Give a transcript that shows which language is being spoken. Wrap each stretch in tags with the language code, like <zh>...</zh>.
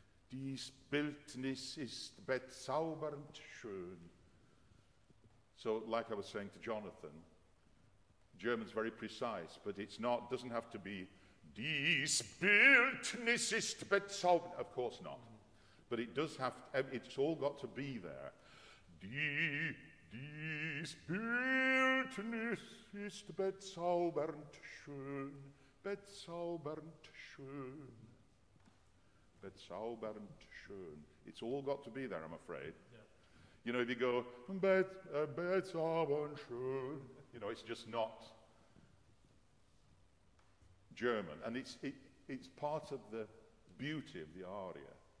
<de>Dies Bildnis ist bezaubernd schön.</de> <en>So like I was saying to Jonathan, German's very precise, but doesn't have to be</en> <de>Dies Bildnis ist bezaubernd,</de> <en>of course not. But it does have, it's all got to be there.</en> <de>Dies Bildnis ist bezaubernd schön, bezaubernd schön, bezaubernd schön.</de> <en>It's all got to be there, I'm afraid. Yeah. You know, if you go,</en> <de>bezaubernd schön,</de> <en>you know, it's just not German. And it's part of the beauty of the aria.</en>